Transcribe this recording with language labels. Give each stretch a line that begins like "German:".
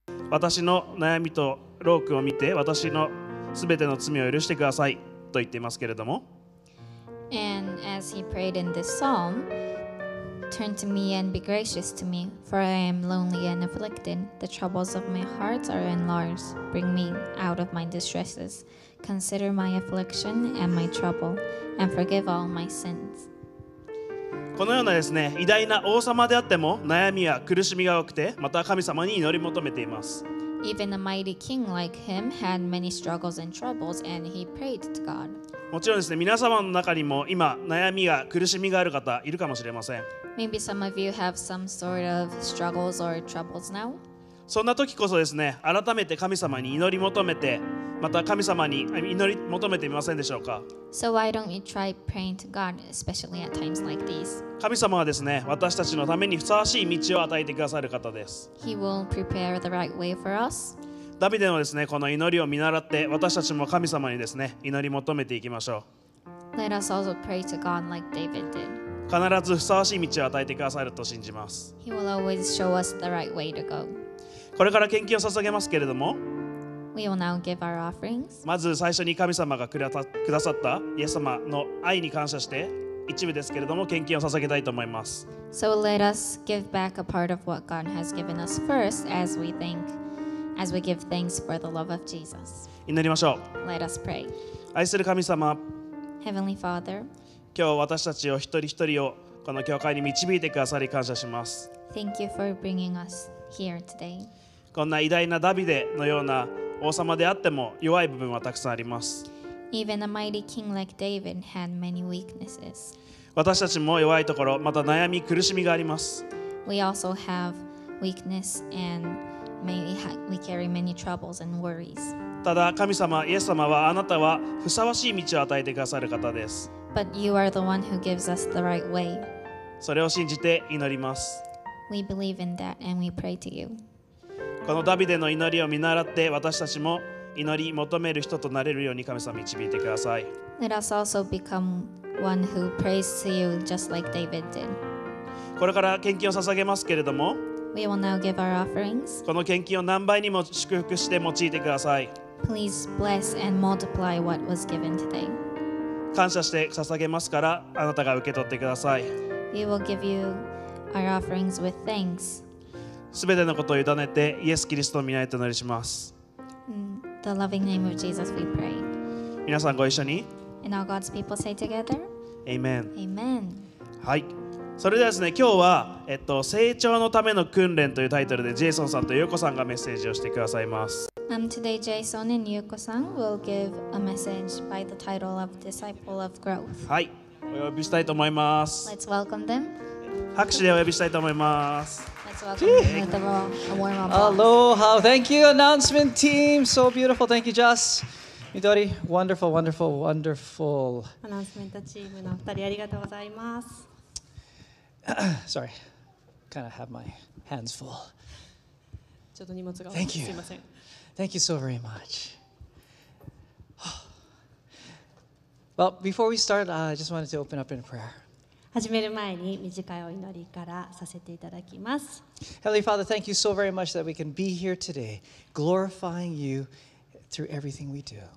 Japanese: 私の悩みとロー君を見て私のすべての罪を許してくださいと言っていますけれども。
English: And as he prayed in this psalm, turn to me and be gracious to me, for I am lonely and afflicted. The troubles of my heart are enlarged. Bring me out of my distresses. Consider my affliction and my trouble, and forgive all my sins.
Japanese: このようなですね、偉大な王様であっても悩みや苦しみが多くて、また神様に祈り求めています。
English: Even a mighty king like him had many struggles and troubles, and he prayed to God.
Japanese: もちろんですね、皆様の中にも今悩みや苦しみがある方いるかもしれません。
English: Maybe some of you have some sort of struggles or troubles now.
Japanese: そんな時こそですね、改めて神様に祈り求めて、また神様に祈り求めてみませんでしょうか。
English: So why don't you try praying to God, especially at times like these?
Japanese: 神様はですね、私たちのためにふさわしい道を与えてくださる方です。
English: He will prepare the right way for us.
Japanese: ダビデのですね、この祈りを見習って、私たちも神様にですね、祈り求めていきましょう。
English: Let us also pray to God like David did.
Japanese: 必ずふさわしい道を与えてくださると信じます。
English: He will always show us the right way to go.
Japanese: これから献金を捧げますけれども、
English: We will now give our offerings.
Japanese: まず最初に神様がくださったイエス様の愛に感謝して一部ですけれども献金を捧げたいと思います。
English: So let us give back a part of what God has given us first as we think, as we give thanks for the love of Jesus.
Japanese: 祈りましょう。
English: Let us pray.
Japanese: 愛する神様、
English: Heavenly Father,
Japanese: 今日私たちを一人一人をこの教会に導いてくださり感謝します。
English: Thank you for bringing us here today.
Japanese: こんな偉大なダビデのような王様であっても弱い部分はたくさんあります。
English: Even a mighty king like David had many weaknesses.
Japanese: 私たちも弱いところ、また悩み、苦しみがあります。
English: We also have weakness and maybe we carry many troubles and worries.
Japanese: ただ神様、イエス様はあなたはふさわしい道を与えてくださる方です。
English: But you are the one who gives us the right way.
Japanese: それを信じて祈ります。
English: We believe in that and we pray to you.
Japanese: このダビデの祈りを見習って私たちも祈り求める人となれるように神様導いてください。
English: Let us also become one who prays to you just like David did.
Japanese: これから献金を捧げますけれども、
English: We will now give our offerings.
Japanese: この献金を何倍にも祝福して用いてください。
English: Please bless and multiply what was given today.
Japanese: 感謝して捧げますからあなたが受け取ってください。
English: We will give you our offerings with thanks.
Japanese: すべてのことを委ねてイエス・キリストの御名を祈りします。
English: The loving name of Jesus we pray.
Japanese: 皆さんご一緒に。
English: And all God's people say together. Amen. Amen.
Japanese: はい。それではですね、今日は、成長のための訓練というタイトルでジェイソンさんとユウコさんがメッセージをしてくださいます。
English: Today, Jason and Yuko-san will give a message by the title of Disciple of Growth.
Japanese: はい。お呼びしたいと思います。
English: Let's welcome them.
Japanese: 拍手でお呼びしたいと思います。
English: Aloha, thank you, announcement team. So beautiful, thank you, Joss. Midori, wonderful, wonderful, wonderful. Announcement team
Japanese: の二人ありがとうございます。
English: Sorry, kind of have my hands full.
Japanese: ちょっと荷物が多くて、
English: thank you.
Japanese: すいません。
English: Thank you so very much. Well, before we start, I just wanted to open up in a prayer.
Japanese: 始める前に短いお祈りからさせていただきます。
English: Heavenly Father, thank you so very much that we can be here today, glorifying you through everything we do.